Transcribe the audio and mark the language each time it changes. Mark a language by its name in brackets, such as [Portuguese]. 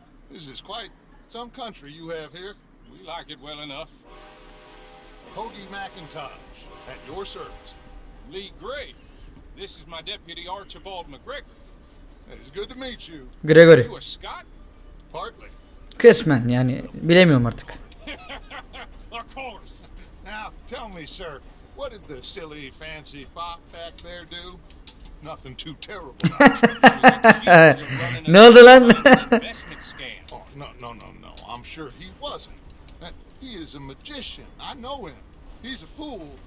[English] This is quite some country you have here. We like it well enough. Hoagie McIntosh, at your service. Lee Gray. This is my deputy, Archibald McGregor. It is good to meet you. Gregory. You a Scot? Partly. [Turkish] Kısmen yani, bilemiyorum artık. [English] Of course. Now, tell me, sir, what did the silly fancy fop back there do? Nothing too terrible. [Turkish] Ne oldu lan? [English] No. I'm sure he wasn't. He is a magician. I know him. He's a fool.